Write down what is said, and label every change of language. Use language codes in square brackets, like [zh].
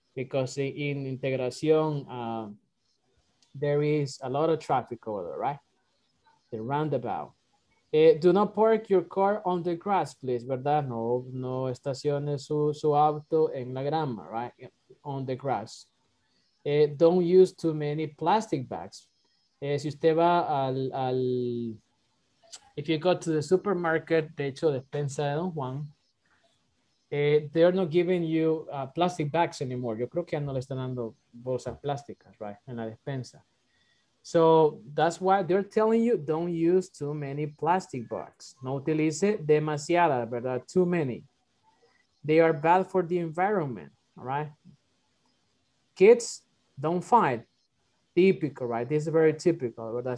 [en] Because in integración, there is a lot of traffic over there, right? The roundabout. Do not park your car on the grass, please, ¿verdad? [es] No estaciones su auto en la grama, right? [en] On the grass. Don't use too many plastic bags. [es] Si usted va al, [en] if you go to the supermarket, [es] de hecho, [en] despensa de Don Juan, they're not giving you plastic bags anymore. [es] Yo creo que ya no le están dando bolsas plásticas, right, en la despensa. [en] So that's why they're telling you don't use too many plastic bags. [es] No utilice demasiada, [en] ¿verdad? Too many. They are bad for the environment, all right? Kids, don't fight. Typical, right? This is very typical, ¿verdad?